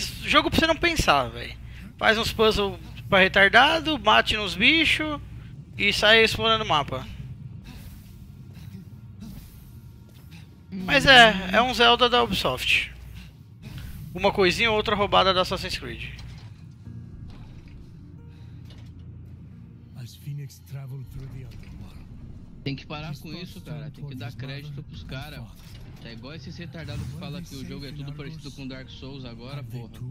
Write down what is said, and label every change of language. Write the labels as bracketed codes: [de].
[pt] Jogo pra você não pensar, velho. Faz uns puzzles pra retardado, mate nos bichos e sai explorando o mapa. Mas é um Zelda da Ubisoft. Uma coisinha ou outra roubada da Assassin's Creed. [en] As Phoenix travel through the underworld. [pt] Tem que parar com isso, cara. Tem que dar crédito pros caras. É igual esses retardados que falam que o jogo é tudo parecido com Dark Souls agora, porra.